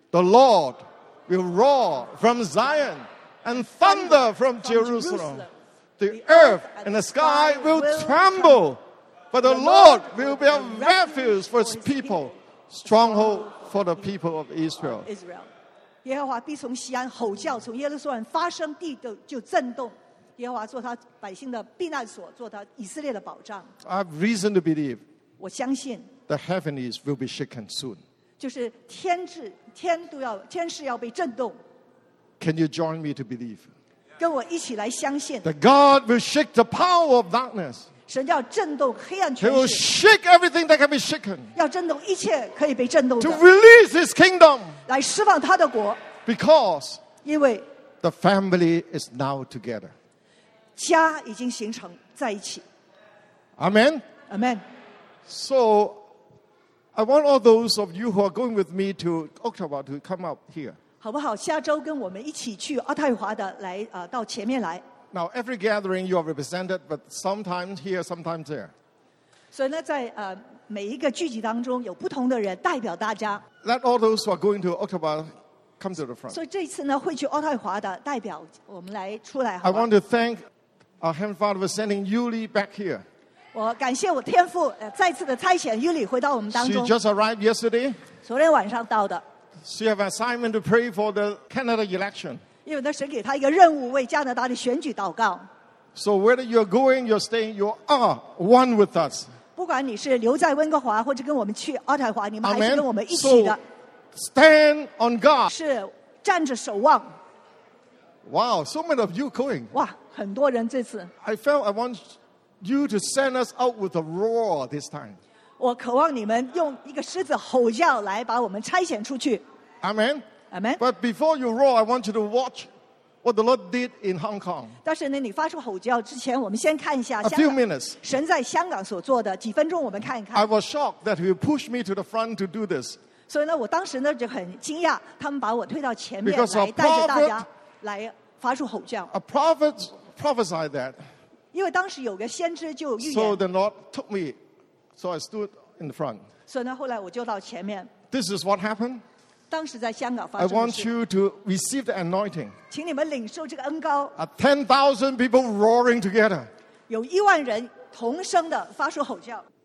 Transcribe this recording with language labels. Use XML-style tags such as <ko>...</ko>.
<en>The Lord will roar from Zion and thunder from Jerusalem. The earth and the sky will tremble, but the Lord will be a refuge for his people, stronghold for the people of Israel. Israel.</en> <zh>耶和华必从锡安吼叫，从耶路撒冷发声，地都就震动。耶和华做他百姓的避难所，做他以色列的保障。</zh> <en>I have reason to believe.</en> <zh>我相信。</zh> <en>The heavens will be shaken soon.</en> <zh>就是天势要被震动。</zh> <en>Can you join me to believe?</en> <zh>跟我一起来相信。</zh> <en>The God will shake the power of darkness.</en> <zh>神要震动黑暗权势。</zh> <en>He will shake everything that can be shaken.</en> <zh>要震动一切可以被震动的。</zh> <en>To release His kingdom.</en> <zh>来释放他的国</zh> <en>，because</en> <zh>因为</zh> <en>the family is now together，</en> <zh>家已经形成在一起。</zh> <en>Amen. Amen. So I want all those of you who are going with me to Ottawa to come up here.</en> <zh>好不好？下周跟我们一起去渥太华的来到前面来。</zh> <en>Now every gathering you are represented, but sometimes here, sometimes there.</en> <zh>所以呢，在每一个聚集当中有不同的人代表大家。</zh> <en>Let all those who are going to Ottawa come to the front.</en> <zh>所以这一次呢，会去渥太华的代表，我们来出来。</zh> <en>I want to thank our Heavenly Father for sending Yuli back here.</en> <zh>我感谢我天父再次的差遣 Yuli 回到我们当中。</zh> <en>She just arrived yesterday.</en> <zh>昨天晚上到的。</zh> <en>She have assignment to pray for the Canada election.</en> <zh>因为呢，神给她一个任务，为加拿大的选举祷告。</zh> <en>So whether you're going, you're staying, you are one with us.</en> <zh>不管你是留在温哥华或者跟我们去渥太华，你们还是跟我们一起的。</zh> <en>Stand on God.</en> <zh>是站着守望。</zh> <en>Wow, so many of you going.</en> <zh>哇，很多人这次。</zh> <en>I felt I want you to send us out with a roar this time.</en> <zh>我渴望你们用一个狮子吼叫来把我们差遣出去。</zh> <en>Amen. Amen. But before you roar, I want you to watch what the Lord did in Hong Kong.</en> <zh>但是呢，你发出吼叫之前，我们先看一下。</zh> <en>A few minutes.</en> <zh>神在香港所做的几分钟，我们看一看。</zh> <en>I was shocked that he pushed me to the front to do this.</en> <zh>所以呢，我当时呢就很惊讶，他们把我推到前面来带着大家来发出吼叫。</zh> <en>A prophet prophesied that.</en> <zh>因为当时有个先知就预言。</zh> <en>So the Lord took me, so I stood in the front.</en> <zh>所以呢，后来我就到前面。</zh> <en>This is what happened. I want you to receive the anointing.</en> <zh>请你们领受这个恩膏。</zh> <en>10,000 people roaring together.</en> <zh>有一万人同声的发出吼叫。</zh>